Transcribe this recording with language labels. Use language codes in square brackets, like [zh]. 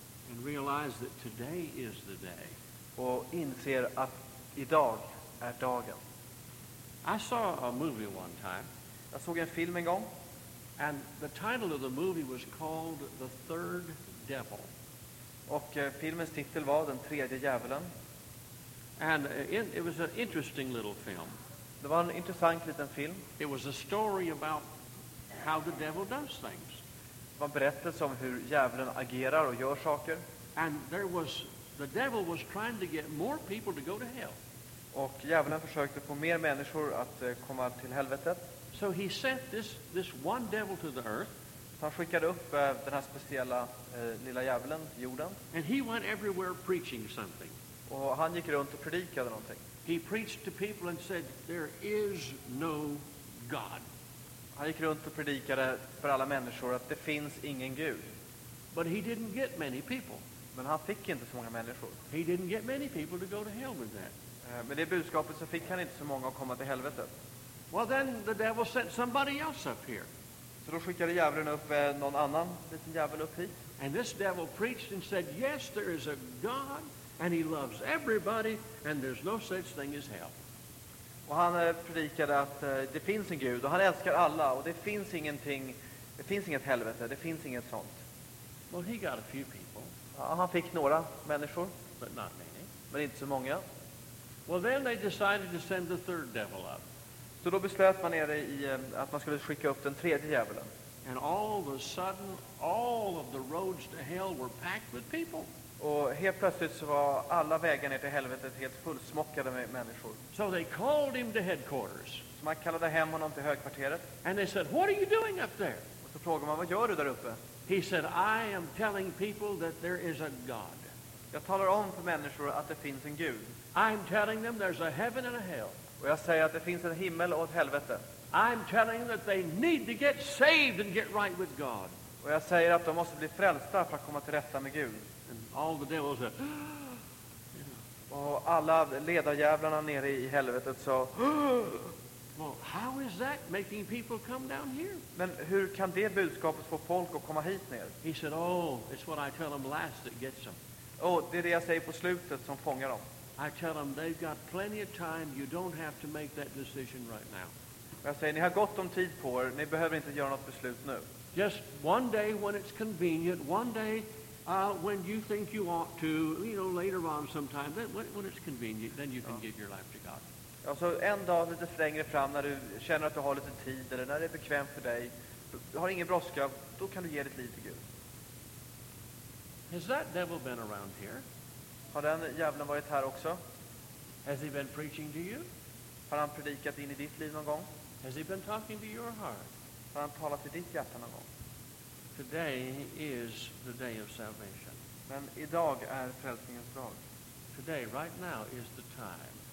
[en] And realize that today is the day. [sv] Och inser att idag är dagen. [en] I saw a movie one time. [sv] Jag såg en film en gång. [en] And the title of the movie was called The Third Devil. [sv] Och filmens titel var Den tredje djävulen. [en] And it was an interesting little film. [sv] Det var en intressant liten film. [en] It was a story about how the devil does things. [sv] Det var en berättelse om hur djävulen agerar och gör saker. [en] And the devil was trying to get more people to go to hell. [sv] Och djävulen försökte få mer människor att komma till helvetet. [en] So he sent this one devil to the earth. [sv] Han skickade upp den här speciella lilla djävulen, jorden. [en] And he went everywhere preaching something. [sv] Och han gick runt och predikade någonting. [en] He preached to people and said, "There is no God." [sv] Han gick runt och predikade för alla människor att det finns ingen Gud. [en] But he didn't get many people. [sv] Men han fick inte så många människor. [en] He didn't get many people to go to hell with that. [sv] Med det budskapet så fick han inte så många att komma till helvetet. [en] Well, then the devil sent somebody else up here. [sv] Så då skickade djävulen upp någon annan liten djävul upp hit. [en] And this devil preached and said, "Yes, there is a God, and he loves everybody, and there's no such thing as hell." [sv] Och han predikade att det finns en Gud och han älskar alla och det finns ingenting, det finns inget helvete, det finns inget sånt. [en] Well, he got a few people. [sv] Ja, han fick några människor, [en] but not many. [sv] Men inte så många. [en] Well, then they decided to send the third devil up. [sv] Så då beslöt man nere i att man skulle skicka upp den tredje djävulen. [en] And all of a sudden, all of the roads to hell were packed with people. [sv] Och helt plötsligt så var alla vägar ner till helvetet helt fullsmockade med människor. [en] So they called him to headquarters. [sv] Så man kallade hem honom till högkvarteret. [en] And they said, "What are you doing up there?" [sv] Och så frågade man, "Vad gör du där uppe?" [en] He said, "I am telling people that there is a God." [sv] Jag talar om för människor att det finns en Gud. [en] I'm telling them there's a heaven and a hell. [sv] Och jag säger att det finns en himmel och ett helvete. [en] I'm telling them that they need to get saved and get right with God. [sv] Och jag säger att de måste bli frälsta för att komma till rätta med Gud. [en] And all the devils said, [sv] och alla ledarjävlarna nere i helvetet sa, [en] "Well, how is that making people come down here?" [sv] Men hur kan det budskapet få folk att komma hit ner? [en] He said, "Oh, it's what I tell them last that gets them." [sv] Oh, det är det jag säger på slutet som fångar dem. [en] I tell them they've got plenty of time. You don't have to make that decision right now. [sv] Jag säger, ni har gott om tid på er. Ni behöver inte göra något beslut nu. [en] Just one day when it's convenient, one day when you think you ought to, you know, later on sometime, when it's convenient, then you can give your life to God. [sv] Ja, så en dag lite längre fram när du känner att du har lite tid eller när det är bekvämt för dig, du har ingen brådska, då kan du ge ditt liv till Gud. [en] Has that devil been around here? [sv] Har den djävulen varit här också? [en] Has he been preaching to you? [sv] Har han predikat in i ditt liv någon gång? [en] Has he been talking to your heart? [sv] Har han talat till ditt hjärta någon gång? [en] Today is the day of salvation. [sv] Men idag är frälsningens dag. [en] Today, right now, is the time.